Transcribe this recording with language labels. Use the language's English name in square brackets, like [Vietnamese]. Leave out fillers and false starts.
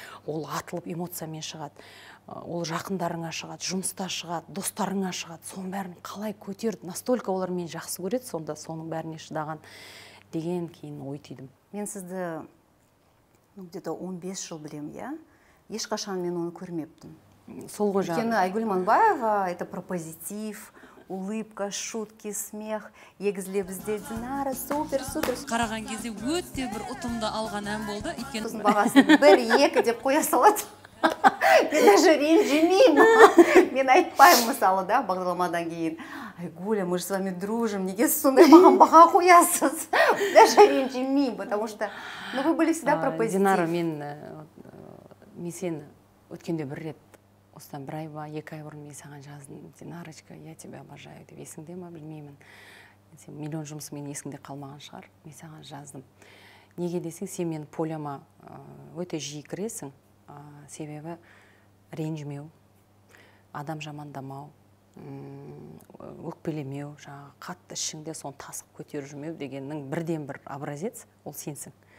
[Kazakh] Ол атылып эмоциямен шығады, ол жақындарыңа шығады, жұмыста шығады, достарыңа шығады, соның бәрін қалай көтерді, [Russian] настолько [Kazakh] олар мен жақсы көреді, сонда соның бәріне шыдаған деген кейін ой түйдім. Мен сізді [Russian] где-то [Kazakh] 15 жыл білем, иә? Ешқашан мен оны көрмеппін. Өйткені [Russian] Айгүл Иманбаева это про позитив, улыбка, шутки, смех. [Kazakh] Егізіле бізде Динара, супер, супер. Қараған кезде өте бір ұтымды алған ән болды. Сосын бағасын 1-2 деп қоя салады. Мен [Russian] даже [Kazakh] ренжімеймін. Мен айтпаймын мысалы, да, бағдарламадан кейін. [Russian] Айгуля, мы же с вами дружим, [Kazakh] неге сондай маған баға қоясыз. [Russian] Даже [Kazakh] ренжімеймін, [Russian] потому что, ну, вы были всегда про позитив. [Kazakh] Динара, мен сен өткенде бір рет. Осыдан бір ай ба, 2 ай бұрын мен саған жаздым, [Russian] Динарочка, я тебя обожаю, [Kazakh] деп есіңде ма, білмеймін. Сен миллион жұмысы мен есіңде қалмаған шығар, мен саған жаздым. Неге десең, сен мен поляма өте жиі кіресің, себебі ренжімеу, адам жамандамау, өкпелемеу, жаңа қатты ішіңде сон тасық көтеріп жүрмеу дегеннің бірден бір образец, ол сенсің.